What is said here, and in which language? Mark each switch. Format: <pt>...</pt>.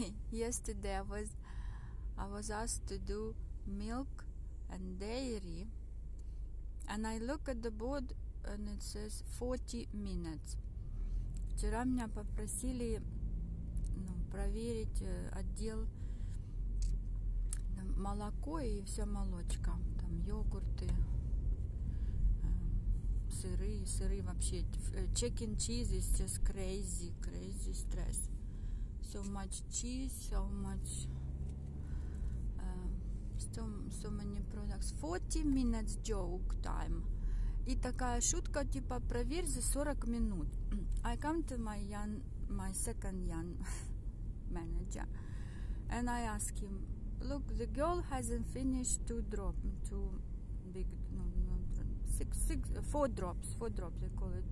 <en>Yesterday I was asked to do milk and dairy. And I look at the board and it says 40 minutes.</en> <ru>Вчера меня попросили проверить отдел молоко и вся молочка. Там йогурты, сыры вообще.</ru> <en>Chicken cheese is just crazy stress. So much cheese, so many products. 40 minutes joke time.</en> <ru>И такая шутка, типа, проверь за 40 минут.</ru> <en>I come to my second young manager. And I ask him, look, the girl hasn't finished four drops, they call it.</en>